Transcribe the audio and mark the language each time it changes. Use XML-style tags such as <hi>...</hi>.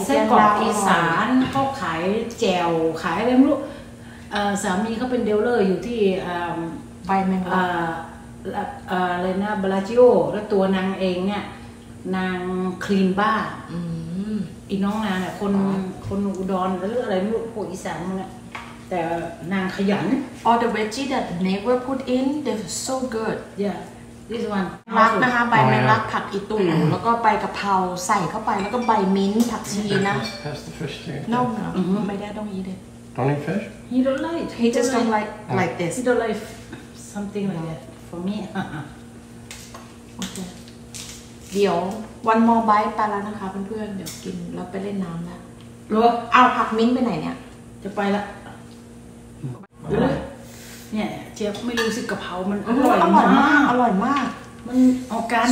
<th>เส้นกรอกอีสานเขาขายแจ่วขายอะไรไม่รู้สามีเขาเป็นเดลเลอร์อยู่ที่ ไบแมง โกอะไรนะบราจิโอแล้วตัวนางเองเนี่ยนางคลีนบ้า อีน้องนางเนี่ยคนอุดรหรืออะไรไม่รู้พวกอีสานเนี่ยแต่นางขยัน</th> <en>all the veggie that neighbor put in they're so good yeah</en> <th>รักนะคะใบแมงลักผักอีตู่แล้วก็ใบกะเพราใส่เข้าไปแล้วก็ใบมิ้นท์ผักชีนะน้องไม่ได้ต้องอีเด็ด</th> <en>don't eat fish he don't like he just don't like like this he don't like something like that for me</en> <th>okay เดี๋ยว</th> <en>one more bite</en> <th>ปลาแล้วนะคะเพื่อนๆเดี๋ยวกินเราไปเล่นน้ำแล้ว รู้เอาผักมิ้นท์ไปไหนเนี่ย จะไปละเนี่ยเจี๊ยบไม่รู้สิกะเพรามันอร่อยมากมันออกาน</th>